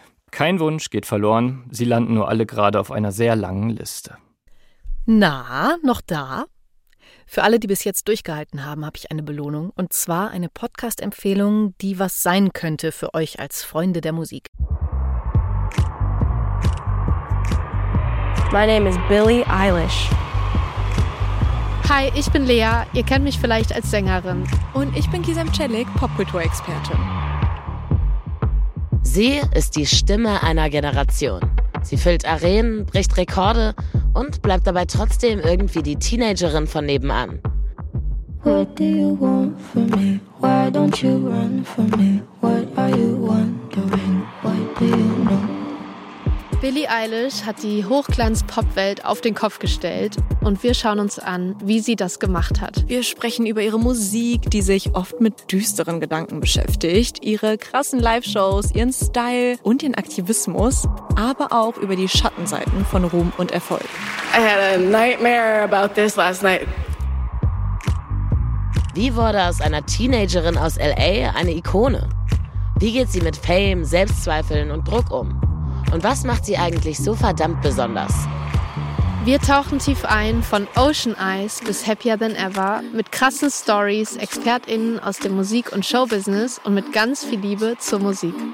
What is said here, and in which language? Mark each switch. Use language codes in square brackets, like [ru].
[de] Kein Wunsch geht verloren, sie landen nur alle gerade auf einer sehr langen Liste. Na, noch da? Für alle, die bis jetzt durchgehalten haben, habe ich eine Belohnung. Und zwar eine Podcast-Empfehlung, die was sein könnte für euch als Freunde der Musik. [en] My name is Billie Eilish. [de] Hi, ich bin Lea, ihr kennt mich vielleicht als Sängerin. Und ich bin Kisem Celik, Popkultur-Expertin. Sie ist die Stimme einer Generation. Sie füllt Arenen, bricht Rekorde und bleibt dabei trotzdem irgendwie die Teenagerin von nebenan. [en] What do you want from me? Why don't you run from me? What are you wondering? Why do you know? [de] Billie Eilish hat die Hochglanz-Pop-Welt auf den Kopf gestellt und wir schauen uns an, wie sie das gemacht hat. Wir sprechen über ihre Musik, die sich oft mit düsteren Gedanken beschäftigt, ihre krassen Live-Shows, ihren Style und ihren Aktivismus, aber auch über die Schattenseiten von Ruhm und Erfolg. [en] I had a nightmare about this last night. [de] Wie wurde aus einer Teenagerin aus L.A. eine Ikone? Wie geht sie mit Fame, Selbstzweifeln und Druck um? Und was macht sie eigentlich so verdammt besonders? Wir tauchen tief ein von Ocean Eyes bis Happier Than Ever mit krassen Stories, ExpertInnen aus dem Musik- und Showbusiness und mit ganz viel Liebe zur Musik.